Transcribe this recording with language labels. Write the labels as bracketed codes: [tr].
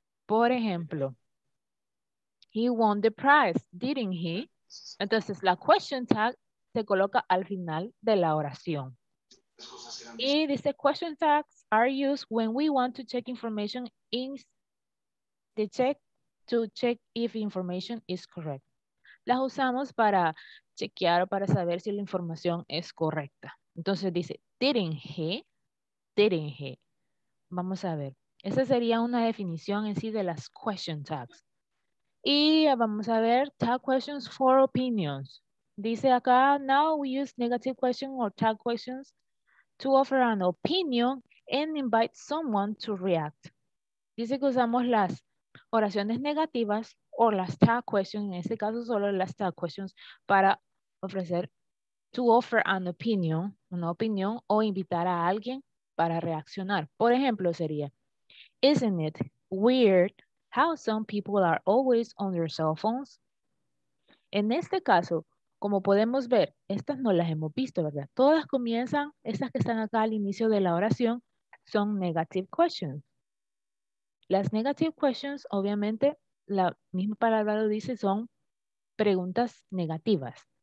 [es] Por ejemplo, [en] he won the prize, didn't he? [es] Entonces, la question tag se coloca al final de la oración. Y dice, [en] question tags are used when we want to check information to check if information is correct. [es] Las usamos para chequear o para saber si la información es correcta. Entonces dice, [en] didn't he? [es] Vamos a ver. Esa sería una definición en sí de las question tags. Y vamos a ver [en] tag questions for opinions. [es] Dice acá, [en] now we use negative question or tag questions to offer an opinion and invite someone to react. [es] Dice que usamos las oraciones negativas o las tag questions, en este caso solo las tag questions, para ofrecer, [en] to offer an opinion, [es] una opinión, o invitar a alguien para reaccionar. Por ejemplo, sería, [en] isn't it weird how some people are always on their cell phones? [es] En este caso, como podemos ver, estas no las hemos visto, ¿verdad? Todas comienzan, estas que están acá al inicio de la oración, son negative questions. Las negative questions, obviamente, la misma palabra lo dice, son preguntas negativas.